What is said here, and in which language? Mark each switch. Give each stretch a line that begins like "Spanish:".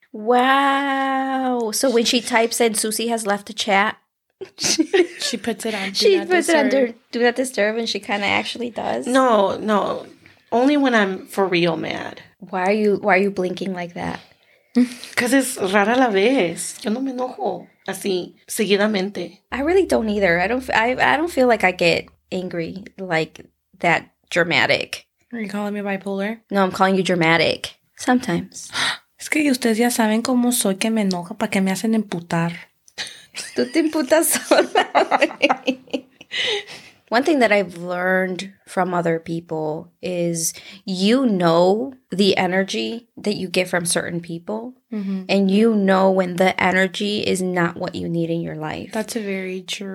English: Wow. So when she types in Susie has left the chat. She puts it on. She puts it under do not disturb, and she kind of actually does. No, no, only when I'm for real mad. Why are you blinking like that? Because it's
Spanish: rara la vez. Yo no me enojo así seguidamente.
English: I really don't either. I don't feel like I get angry like that dramatic. Are you calling me bipolar? No, I'm calling you dramatic. Sometimes.
Spanish: Es que ustedes ya saben cómo soy que me enoja para que me hacen emputar. Tú te imputas sola.
English: One thing that I've learned from other people is you know the energy that you get from certain people. Mm-hmm. And you know when the energy is not what you need in your life. That's very true.